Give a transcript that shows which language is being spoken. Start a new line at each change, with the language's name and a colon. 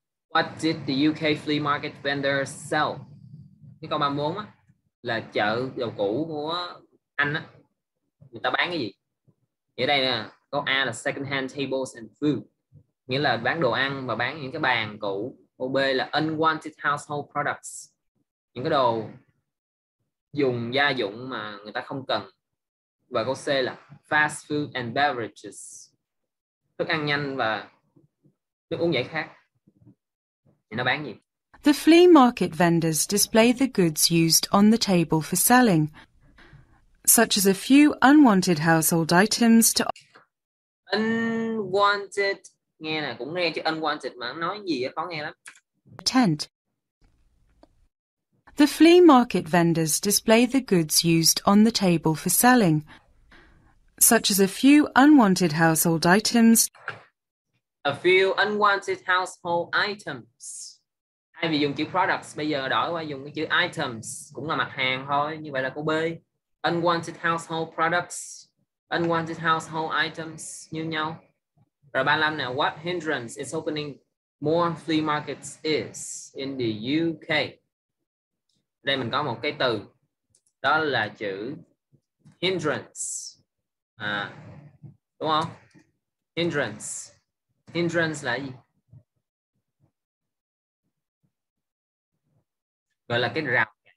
English: What did the UK flea market vendor sell?
Vietnamese: Cái câu 34 á, là chợ đồ cũ của Anh á, người ta bán cái gì? Nghĩa đây nè, câu A là
English: second hand tables and food,
Vietnamese: nghĩa là bán đồ ăn và bán những cái bàn cũ. Câu B là
English: unwanted household products,
Vietnamese: những cái đồ dùng gia dụng mà người ta không cần. Và câu C là
English: fast food and beverages,
Vietnamese: thức ăn nhanh và nước uống giải khát. Nó bán gì?
English: The flea market vendors display the goods used on the table for selling, such as a few unwanted household items to...
Vietnamese: Unwanted, nghe nè, cũng nghe chứ unwanted mà nói gì khó nghe lắm.
English: Tent. The flea market vendors display the goods used on the table for selling, such as a few unwanted household items. A few unwanted household items.
Vietnamese: Thay vì dùng chữ products, bây giờ đổi qua dùng cái chữ items, cũng là mặt hàng thôi. Như vậy là câu B.
English: Unwanted household products, unwanted household items
Vietnamese: như nhau. Rồi 35 nè,
English: what hindrance is opening more flea markets is in the UK?
Vietnamese: Đây mình có một cái từ, đó là chữ hindrance. À, đúng không? Hindrance. Hindrance là gì? Gọi là cái rào.